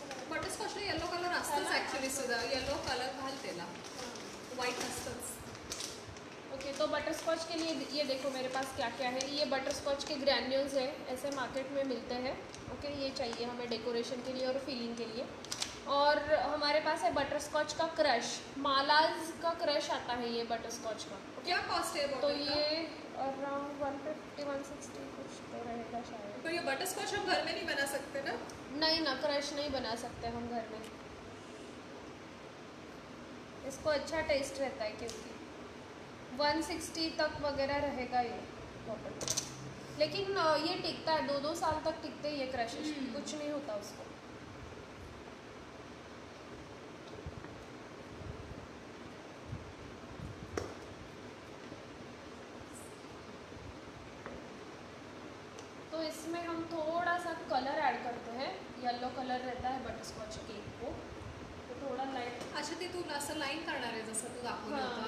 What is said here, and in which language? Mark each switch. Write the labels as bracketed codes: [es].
[mr] बटरस्कॉचला yellow colour असतोच actually सुद्धा yellow colour घालतेला white असतोच। [hi] ओके तो बटरस्कॉच के लिए ये देखो मेरे पास क्या क्या है। ये बटरस्कॉच के ग्रैन्यूल्स है ऐसे मार्केट में मिलते हैं। ओके ये चाहिए हमें डेकोरेशन के लिए और फिलिंग के लिए। और हमारे पास है बटरस्कॉच का क्रश, मालाज का क्रश आता है ये बटरस्कॉच का। क्या कॉस्ट है तो ये अराउंड 150-160 कुछ तो रहेगा शायद। तो ये बटरस्कॉच हम घर में नहीं बना सकते ना? नहीं ना क्रश नहीं बना सकते हम घर में। इसको अच्छा टेस्ट रहता है क्योंकि 160 तक वगैरह रहेगा ये बॉटल, लेकिन ये टिकता है 2-2 साल तक टिकते ये क्रश कुछ नहीं होता उसको। तो इसमें हम थोड़ा सा कलर ऐड करते हैं, येलो कलर रहता है बटरस्कॉच केक को तो थोड़ा लाइट। [mr] अच्छा ते तू असं लाइन करणार आहे जसं तू दाखवलं होतं।